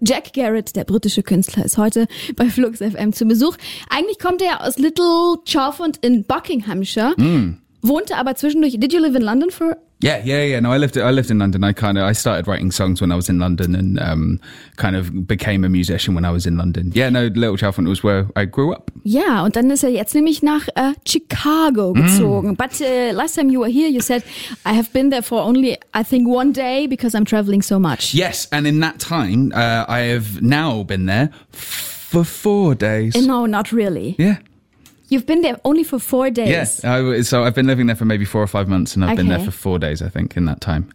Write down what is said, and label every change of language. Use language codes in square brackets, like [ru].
[de] Jack Garrett, der britische Künstler, ist heute bei Flux FM zu Besuch. Eigentlich kommt er aus Little Chalfont in Buckinghamshire, wohnte aber zwischendurch. [en] Did you live in London for? Yeah. No, I lived in London. I started writing songs when I was in London and kind of became a musician when I was in London. Yeah, no, Little Chalfont was where I grew up. [de] Yeah, und dann ist er jetzt nämlich nach Chicago gezogen. Mm. [en] But last time you were here, you said, I have been there for only, I think, one day because I'm traveling so much. Yes, and in that time, I have now been there for 4 days. No, not really. Yeah. You've been there only for 4 days. Yes, so I've been living there for maybe 4 or 5 months, and I've been there for 4 days, I think, in that time.